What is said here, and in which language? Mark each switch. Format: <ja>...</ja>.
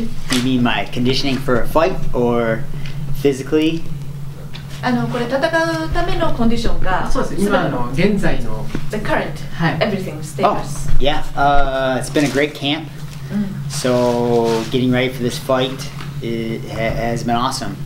<en>You mean my conditioning for a fight or physically?</en> <ja>これ戦うためのコンディションが、そうです。今の現在の</ja> <en>the current、</en> <ja>はい、</ja> <en>everything status. Oh, yeah. It's been a great camp.、うん、so getting ready for this fight has been awesome.</en>